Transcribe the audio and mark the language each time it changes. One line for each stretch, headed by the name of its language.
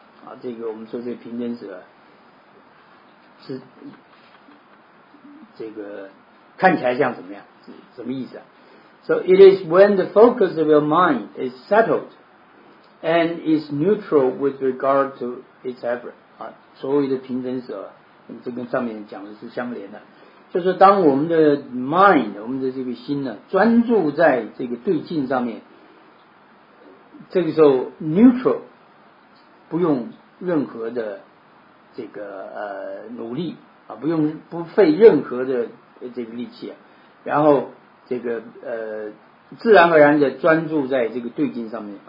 Chinese: 啊，这个我们说这个平等舍是这个看起来像怎么样，是什么意思啊？
English: So it is when the focus of your mind is settled and is neutral with regard to its effort.
Chinese: 啊，所谓的平等舍，这跟上面讲的是相连的，就是当我们的 mind， 我们的这个心呢，专注在这个对境上面，这个时候 neutral， 不用任何的这个努力啊，不用不费任何的这个力气啊，然后这个自然而然的专注在这个对境上面。